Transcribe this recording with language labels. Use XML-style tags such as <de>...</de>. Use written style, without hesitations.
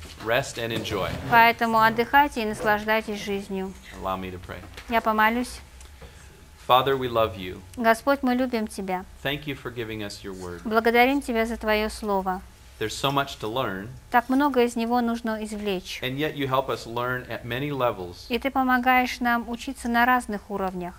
<en>Rest and enjoy.</en> <ru>Поэтому отдыхайте и наслаждайтесь жизнью.</ru> <en>Allow me to pray.</en> <ru>Я помолюсь.</ru> <en>Father, we love you.</en> <ru>Господь, мы любим тебя.</ru> <en>Thank you for giving us your word.</en> <ru>Благодарим тебя за твое слово.</ru> <en>There's so much to learn.</en> <ru>Так много из него нужно извлечь.</ru> <en>And yet you help us learn at many levels.</en> <ru>И ты помогаешь нам учиться на разных уровнях.</ru>